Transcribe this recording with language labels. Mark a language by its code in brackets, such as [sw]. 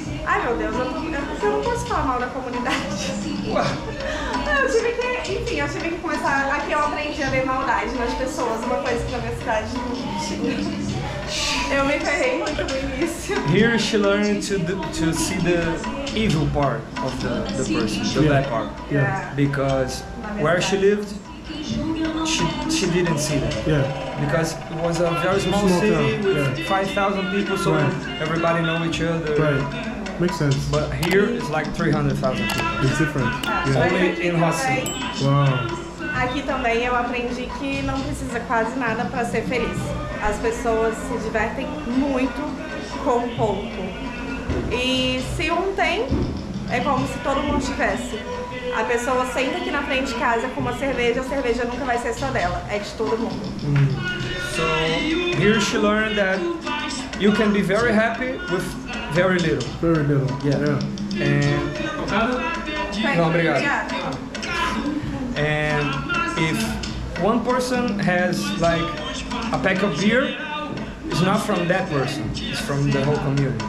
[pt] Ai meu Deus, eu não posso falar mal da comunidade. Eu tive que começar. Aqui eu aprendi a ver maldade nas pessoas, uma coisa que na minha cidade não tinha. Eu me ferrei muito no início. [en] Here she learned to see the evil part of the person, the bad part. Yeah. Because where she lived, she didn't see that. Yeah. Because it was a very small city with 5,000 people, so everybody know each other. Right. Makes sense. But here it's like 300,000 people. It's different. Yeah. Only in Rocinha. Wow. [pt] Aqui também eu aprendi que não precisa quase nada para ser feliz. As pessoas se divertem muito com pouco. E se um tem, é como se todo mundo tivesse. A pessoa senta aqui na frente de casa com uma cerveja, a cerveja nunca vai ser só dela, é de todo mundo. [en] So, here she learned that you can be very happy with very little. Very little. Yeah. And... obrigado. And if one person has like a pack of beer, it's not from that person, it's from the whole community.